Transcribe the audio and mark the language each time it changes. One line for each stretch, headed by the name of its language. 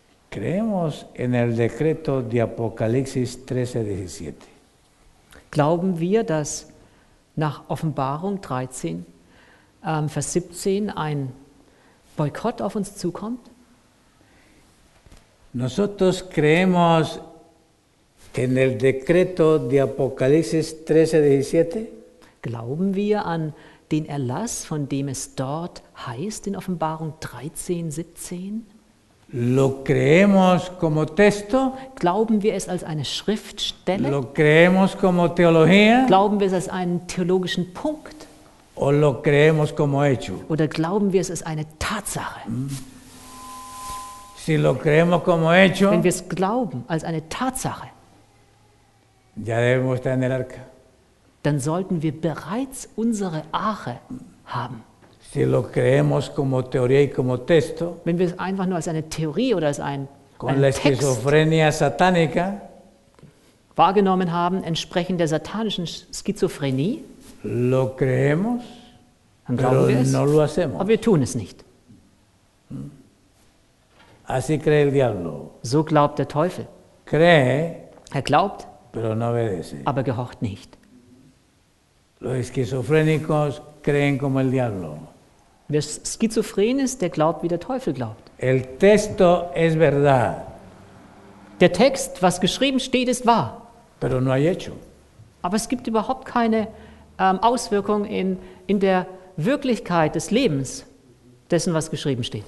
Spanish: Creemos en el decreto de Apocalipsis 13:17.
German: Glauben wir, dass nach Offenbarung 13, Vers 17 ein Boykott auf uns zukommt?
Spanish: Nosotros creemos en el decreto de Apocalipsis 13:17.
German: Glauben wir an den Erlass, von dem es dort heißt in Offenbarung 13:17?
Spanish: Lo creemos como texto?
German: Glauben wir es als eine Schriftstelle?
Spanish: Lo creemos como teología?
German: Glauben wir es als einen theologischen Punkt?
Spanish: O lo creemos como hecho?
German: Oder glauben wir es als eine Tatsache?
Spanish: Si lo creemos como hecho,
German: wenn wir es glauben als eine Tatsache,
Spanish: ya debemos estar en el arca.
German: Dann sollten wir bereits unsere Arche haben.
Spanish: Si lo creemos como teoría y como texto,
German: wenn wir es einfach nur als eine Theorie oder als ein
Spanish: con la esquizofrenia satánica,
German: wahrgenommen haben, entsprechend der satanischen Schizophrenie,
Spanish: lo creemos,
German: dann glauben wir es,
Spanish: no lo hacemos.
German: Aber wir tun es nicht.
Spanish: Así cree el diablo.
German: So glaubt der Teufel.
Spanish: Cree,
German: er glaubt,
Spanish: pero no obedece.
German: Aber gehorcht nicht.
Spanish: Los esquizofrénicos creen como el diablo.
German: Wer schizophren ist, der glaubt, wie der Teufel glaubt.
Spanish: El texto es verdad.
German: Der Text, was geschrieben steht, ist wahr.
Spanish: Pero no hay hecho.
German: Aber es gibt überhaupt keine Auswirkung in der Wirklichkeit des Lebens, dessen, was geschrieben steht.